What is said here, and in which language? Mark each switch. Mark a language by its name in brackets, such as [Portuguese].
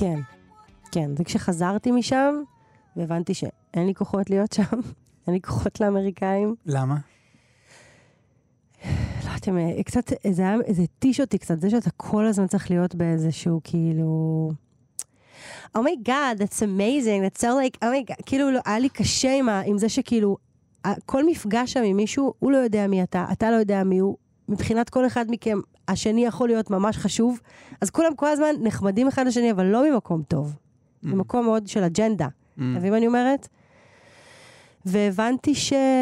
[Hebrew] כן. כן, זה כשחזרתי משם, והבנתי שאין לי כוחות להיות שם, אין לי כוחות לאמריקאים. למה? לא יודעת, קצת, זה טיש אותי קצת, זה שאתה כל הזמן צריך להיות באיזשהו כאילו... [English] Oh my God, that's amazing, that's so like, oh my God, [Hebrew] כאילו לא, היה לי קשה עם זה שכאילו... כל מפגש שם עם מישהו, הוא לא יודע מי אתה, אתה לא יודע מי הוא. מבחינת כל אחד מכם, השני יכול להיות ממש חשוב. אז כולם כל הזמן נחמדים אחד לשני, אבל לא ממקום טוב. Mm. ממקום מאוד של אג'נדה. Mm. אתם יודעים מה אני אומרת? והבנתי ש...